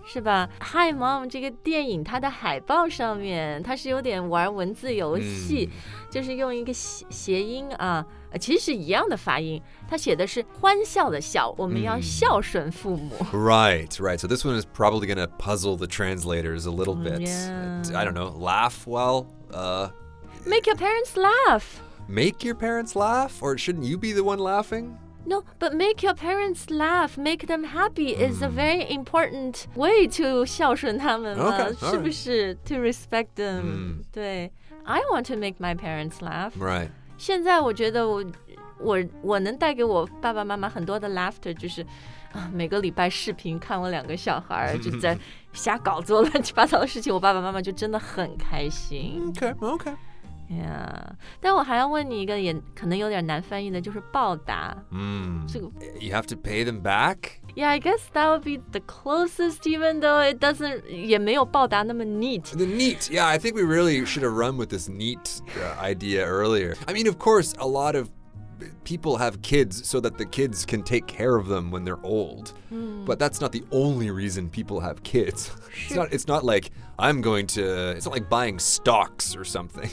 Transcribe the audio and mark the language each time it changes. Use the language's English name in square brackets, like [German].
[Chinese] 是吧 ？ [English] Hi mom, [Chinese] 这个电影它的海报上面，它是有点玩文字游戏， mm. 就是用一个谐音啊，其实是一样的发音。它写的是欢笑的笑，我们要孝顺父母。 Mm. [English] Right, right. So this one is probably going to puzzle the translators a little bit.、 Yeah. I don't know. Laugh well. Make your parents laugh. Make your parents laugh? Or shouldn't you be the one laughing? No, but make your parents laugh, make them happy is a very important way to [Chinese] 孝顺他们了 [English] okay, [Chinese] 是不是 [English] to respect them. [Chinese] 对 [English] I want to make my parents laugh. Right. [Chinese] 现在我觉得 我能带给我爸爸妈妈很多的 laughter 就是每个礼拜视频看我两个小孩就在瞎搞做乱七八糟的事情我爸爸妈妈就真的很开心 [English] Okay, okay. Yeah. [Chinese] 但我还要问你一个也可能有点难翻译的就是报答、这个、 [English] You have to pay them back? Yeah, I guess that would be the closest even though it doesn't [Chinese] 也没有报答那么 [English] neat The neat, yeah, I think we really should have run with this neat idea earlier I mean, of course, a lot of people have kids so that the kids can take care of them when they're old、but that's not the only reason people have kids it's not like I'm going to it's not like buying stocks or something